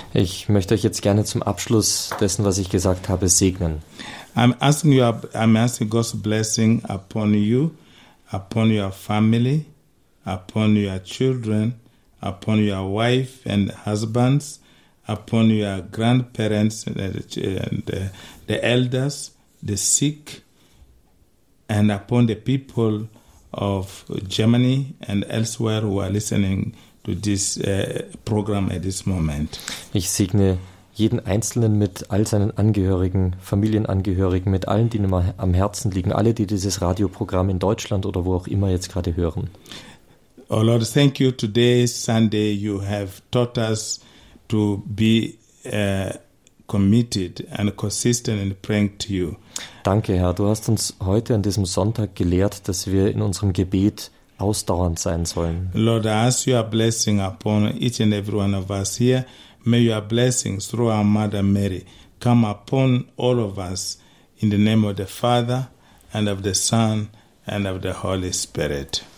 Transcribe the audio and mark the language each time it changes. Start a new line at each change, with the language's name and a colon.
German: Ich möchte euch jetzt gerne zum Abschluss dessen, was ich gesagt habe, segnen.
English: I'm asking God's blessing upon you, upon your family, upon your children, upon your wife and husbands, upon your grandparents and the elders, the sick, and upon the people of Germany and elsewhere who are listening to this program at this moment.
German: Ich segne jeden Einzelnen mit all seinen Angehörigen, Familienangehörigen, mit allen, die mir am Herzen liegen, alle, die dieses Radioprogramm in Deutschland oder wo auch immer jetzt gerade hören.
English: Oh Lord, thank you. Today is Sunday. You have taught us to be committed and consistent in praying to you.
German: Danke, Herr. Du hast uns heute an diesem Sonntag gelehrt, dass wir in unserem Gebet ausdauernd sein sollen.
English: Lord, I ask your blessing upon each and every one of us here. May your blessings through our Mother Mary come upon all of us in the name of the Father and of the Son and of the Holy Spirit.